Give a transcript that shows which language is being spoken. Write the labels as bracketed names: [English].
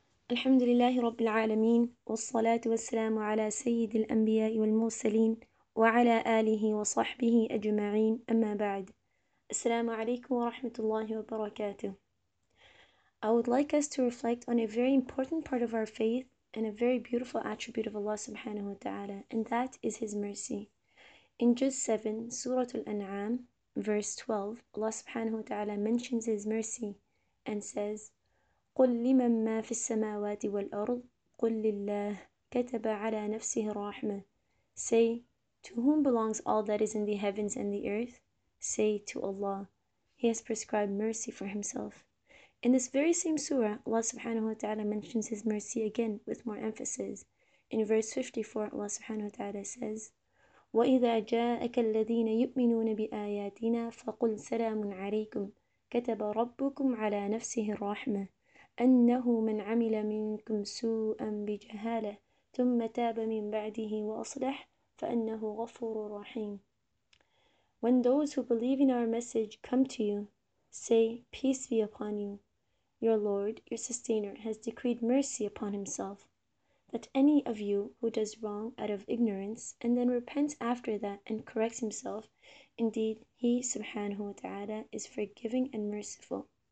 [Arabic] الحمد لله رب العالمين، والصلاة والسلام على سيد الأنبياء والمرسلين وعلى آله وصحبه أجمعين. أما بعد، السلام عليكم ورحمة الله وبركاته. [English] I would like us to reflect on a very important part of our faith and a very beautiful attribute of Allah subhanahu wa ta'ala, and that is His mercy. In Juz 7, Surah Al-An'am, verse 12, Allah subhanahu wa ta'ala mentions His mercy and says, [Arabic] قل لمن ما في السماوات والأرض قل لله كتب على نفسه الرحمة. [English] Say, to whom belongs all that is in the heavens and the earth? Say, to Allah. He has prescribed mercy for himself. In this very same surah, Allah subhanahu wa ta'ala mentions his mercy again with more emphasis. In verse 54, Allah subhanahu wa ta'ala says, [Arabic] وَإِذَا جَاءَكَ الَّذِينَ يُؤْمِنُونَ بِآيَاتِنَا فَقُلْ سَلَامٌ عَلَيْكُمْ كَتَبَ رَبُّكُمْ عَلَى نَفْسِهِ الرَّحْمَةِ أنه من عمل منكم سوءا بجهالة ثم تاب من بعده وأصلح فأنه غفور رحيم. [English] When those who believe in our message come to you, say, peace be upon you. Your Lord, your Sustainer, has decreed mercy upon himself, that any of you who does wrong out of ignorance and then repents after that and corrects himself, indeed he, subhanahu wa ta'ala, is forgiving and merciful.